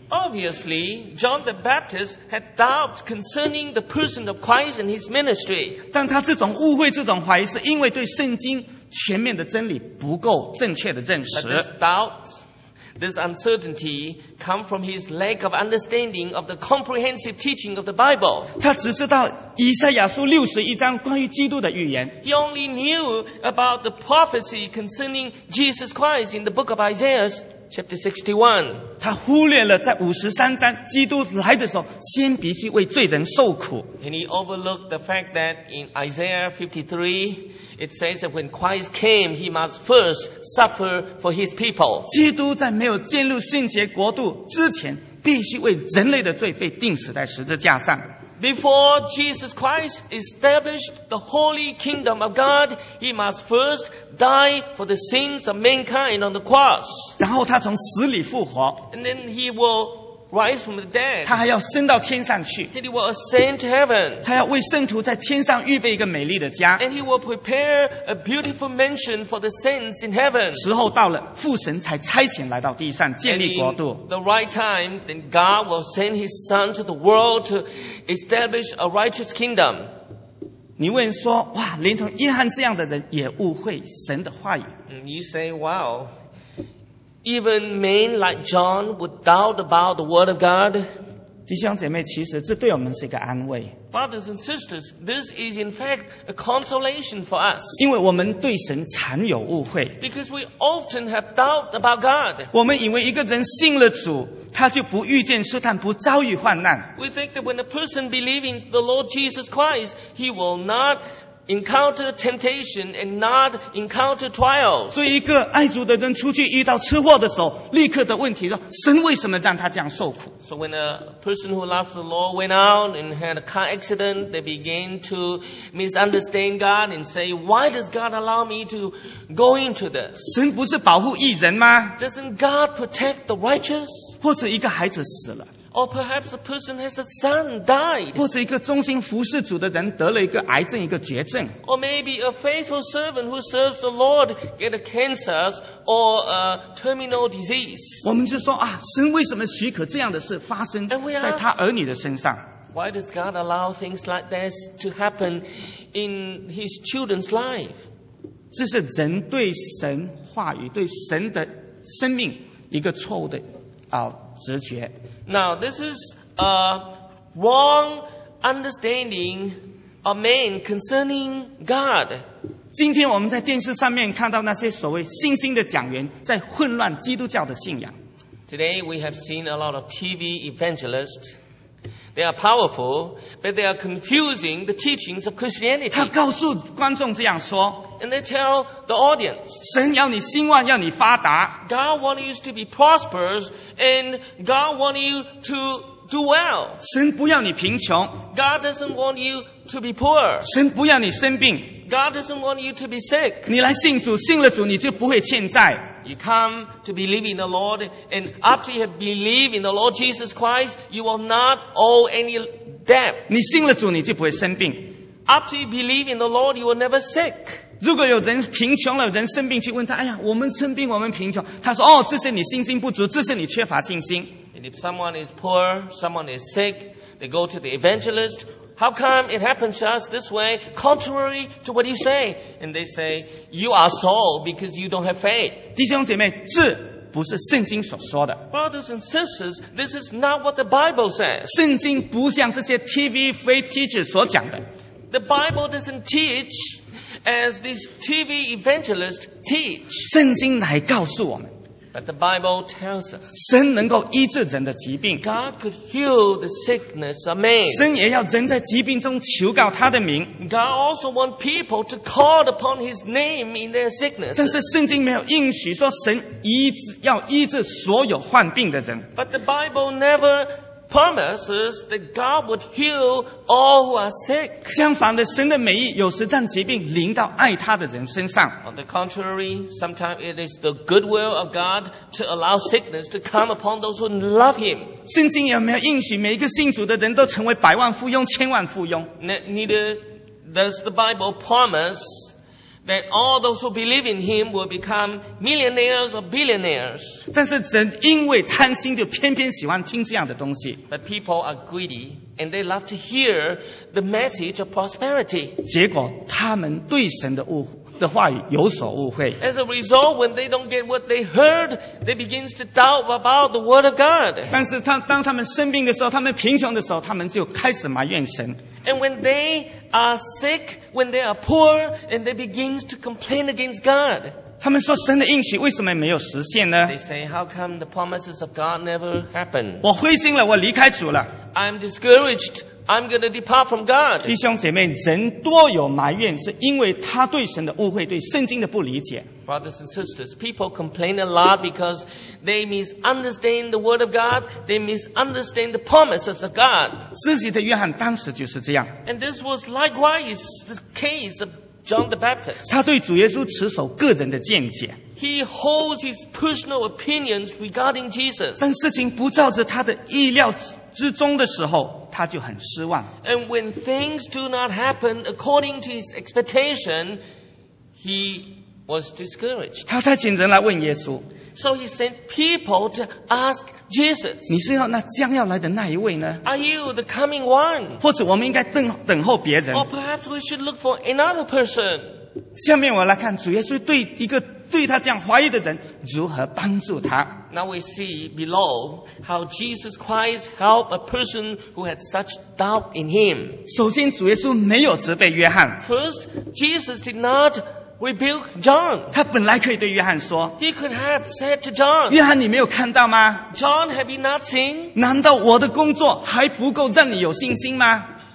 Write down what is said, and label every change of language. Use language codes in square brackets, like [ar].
[en] Obviously, John the Baptist had doubts concerning the person of Christ and his ministry. [zh] 但他这种误会、这种怀疑，是因为对圣经全面的真理不够正确的证实。 [en] But this doubt, this uncertainty, come from his lack of understanding of the comprehensive teaching of the Bible. [zh] 他只知道以赛亚书61章关于基督的预言。 [en] He only knew about the prophecy concerning Jesus Christ in the book of Isaiah chapter 61. [zh] 他忽略了在53章基督来的时候先必须为罪人受苦。 [en] And he overlooked the fact that in Isaiah 53 it says that when Christ came he must first suffer for his people. [zh] 基督在没有进入圣洁国度之前必须为人类的罪被钉死在十字架上。 [en] Before Jesus Christ established the holy kingdom of God, he must first die for the sins of mankind on the cross. [zh] 然后他从死里复活。 [en] And then he will rise from the dead. [zh] 他还要升到天上去。 [en] And he will ascend to heaven. [zh] 他要为圣徒在天上预备一个美丽的家。 [en] And he will prepare a beautiful mansion for the saints in heaven. [zh] 时候到了，父神才差遣来到地上建立国度。 [en] And in the right time, then God will send his son to the world to establish a righteous kingdom. [zh] 你问说，哇，连同约翰这样的人也误会神的话语。 [en] You say, wow. Even men like John would doubt about the word of God. [zh] 弟兄姐妹，其实这对我们是一个安慰。 [en] Brothers and sisters, this is in fact a consolation for us. [zh] 因为我们对神常有误会。 [en] Because we often have doubt about God. [zh] 我们以为一个人信了主，他就不遇见试探，不遭遇患难。 [en] We think that when a person believes in the Lord Jesus Christ, he will not. Encounter temptation and not encounter trials. [zh] 所以一个爱主的人出去遇到车祸的时候，立刻的问题说：神为什么让他这样受苦？ [en] So when a person who loves the Lord went out and had a car accident, they begin to misunderstand God and say, "Why does God allow me to go into this?" [zh] 神不是保护义人吗？ [en] Doesn't God protect the righteous? [zh] 或者一个孩子死了。 [en] Or perhaps a person has a son died. [zh] 或者一个忠心服侍主的人得了一个癌症，一个绝症。 [en] Or maybe a faithful servant who serves the Lord get a cancer or a terminal disease. [zh] 我们就说啊，神为什么许可这样的事发生在他儿女的身上？ [en] Ask, why does God allow things like this to happen in His children's life? [zh] 这是人对神话语、对神的生命一个错误的直觉。 [en] Now, this is a wrong understanding of man concerning God. [zh] 今天我们在电视上面看到那些所谓信心的讲员在混乱基督教的信仰。 [en] Today, we have seen a lot of TV evangelists. They are powerful, but they are confusing the teachings of Christianity. [zh] 他告诉观众这样说。 [en] And they tell the audience, [zh] 神要你兴旺，要你发达。 [en] God wants you to be prosperous, and God wants you to do well. [zh] 神不要你贫穷。 [en] God doesn't want you to be poor. [zh] 神不要你生病。 [en] God doesn't want you to be sick. [zh] 你来信主，信了主，你就不会欠债。 [en] You come to believe in the Lord, and after you have believed in the Lord Jesus Christ, you will not owe any debt. [zh] 你信了主，你就不会生病。 [en] After you believe in the Lord, you will never sick. [zh] 如果有人贫穷了，人生病去问他，哎呀，我们生病，我们贫穷。他说，哦，这是你信心不足，这是你缺乏信心。 [en] And if someone is poor, someone is sick, they go to the evangelist. How come it happens to us this way, contrary to what you say? And they say, you are so because you don't have faith. [zh] 弟兄姐妹，这不是圣经所说的。 [en] Brothers and sisters, this is not what the Bible says. [zh] 圣经不像这些 [en] TV faith teachers [zh] 所讲的。 [en] The Bible doesn't teach as these TV evangelists teach. [zh] 圣经来告诉我们。 [en] But the Bible tells us. [zh] 神能够医治人的疾病。 [en] God could heal the sickness of man. [zh] 神也要人在疾病中求告他的名。 [en] God also wants people to call upon His name in their sickness. [zh] 但是圣经没有应许说神要医治所有患病的人。 [en] But the Bible never promises that God would heal all who are sick. [zh] 相反的，神的美意有时让疾病临到爱他的人身上。 [en] On the contrary, sometimes it is the goodwill of God to allow sickness to come upon those who love Him. [zh] 圣经有没有应许每一个信主的人都成为百万富翁、千万富翁？ [en] Neither does the Bible promise. That all those who believe in him will become millionaires or billionaires. [zh] 但是人因为贪心就偏偏喜欢听这样的东西。 [en] But people are greedy and they love to hear the message of prosperity. [zh] 结果他们对神的误会。的话语有所误会。 [en] As a result, when they don't get what they heard, they begin to doubt about the word of God. [zh] 但是当他们生病的时候，他们贫穷的时候，他们就开始埋怨神。 [en] And when they are sick, when they are poor, and they begin to complain against God. [zh] 他们说神的应许为什么没有实现呢？ [en] They say, how come the promises of God never happen? [zh] 我灰心了，我离开主了。 [en] I'm discouraged. I'm going to depart from God. [zh] 弟兄姐妹，人多有埋怨，是因为他对神的误会，对圣经的不理解。 [en] Brothers and sisters, people complain a lot because they misunderstand the word of God. They misunderstand the promises of God. [zh] 自己的约翰当时就是这样。 [en] And this was likewise the case of John the Baptist. [zh] 他对主耶稣持守个人的见解。 [en] He holds his personal opinions regarding Jesus. [zh] 但事情不照着他的意料之中的时候。他就很失望。 [en] And when things do not happen according to his expectation, he was discouraged. [zh] 他才请人来问耶稣。 [en] So he sent people to ask Jesus. [zh] 你是要那将要来的那一位呢？ [en] Are you the coming one? [zh] 或者我们应该等候别人？ [en] Or perhaps we should look for another person. [zh] 下面我来看主耶稣对一个对他这样怀疑的人如何帮助他。 [en] Now we see below how Jesus Christ helped a person who had such doubt in him. [zh] 首先，主耶稣没有责备约翰。 [en] First, Jesus did not rebuke John. [zh] 他本来可以对约翰说。 [en] He could have said to John. [zh] 约翰，你没有看到吗 [en] ？John, have you not seen? [zh] 难道我的工作还不够让你有信心吗？